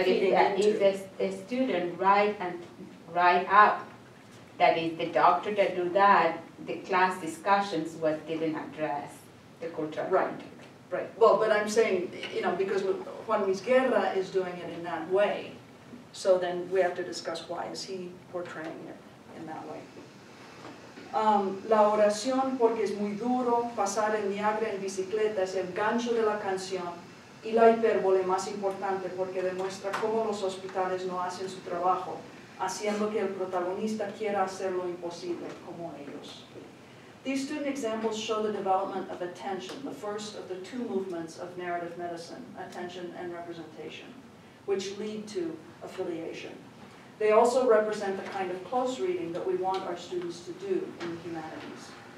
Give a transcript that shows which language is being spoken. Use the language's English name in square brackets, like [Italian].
[English] But if a student write up that if the doctor that do that, the class discussions didn't address the cultural context. Right. Well, but I'm saying, you know, because Juan Luis Guerra is doing it in that way, so then we have to discuss why is he portraying it in that way. [Spanish] La oración porque es muy duro, pasar el Niagara en bicicleta es el gancho de la canción, y la hipérbole más importante porque demuestra cómo los hospitales no hacen su trabajo, haciendo que el protagonista quiera hacer lo imposible como ellos. [English] These student examples show the development of attention, the first of the two movements of narrative medicine, attention and representation, which lead to affiliation. They also represent the kind of close reading that we want our students to do in the humanities.